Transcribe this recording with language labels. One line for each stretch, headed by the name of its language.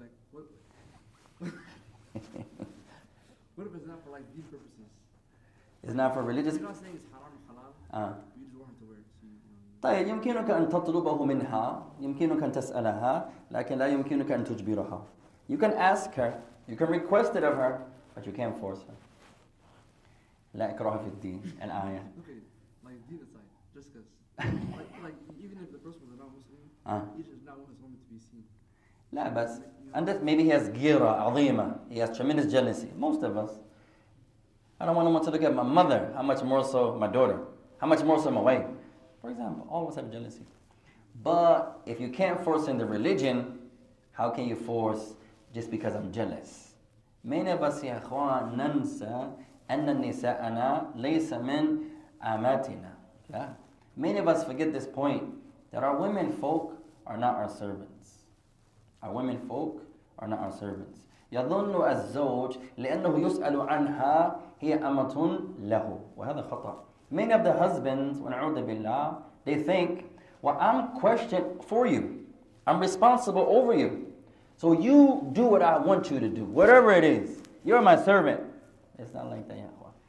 English: What if it's not for like these purposes? It's not for religious. You're not saying it's haram or halal. You just want her to wear it.
Arabic: طيب يمكنك أن تطلبه منها يمكنك أن تسألها لكن لا يمكنك أن تجبرها.
English: You can ask her, you can request it of her, but you can't force her.
Arabic: لا إكراه في الدين الآية.
English: Okay, like leave aside, just cause. Like even if the person was not Muslim, he does not want his woman to be seen.
Arabic: لا بس.
English: And that maybe he has ghira, azima. He has tremendous jealousy. Most of us. I don't want anyone to look at my mother. How much more so my daughter? How much more so my wife? For example, all of us have jealousy. But if you can't force in the religion, how can you force just because I'm jealous? Many of us,
Arabic: ya akhwan, nansa anna nisa'ana laysa min amatina.
English: Many of us forget this point, that our women folk are not our servants. Our women folk are not our servants.
Arabic: يظن الزوج لأنه يسأل عنها هي أمة له. وهذا خطأ.
English: Many of the husbands,
Arabic: ونعوذ بالله,
English: they think, well, I'm questioned for you. I'm responsible over you. So you do what I want you to do. Whatever it is, you're my servant. It's not like that, ya akhwa.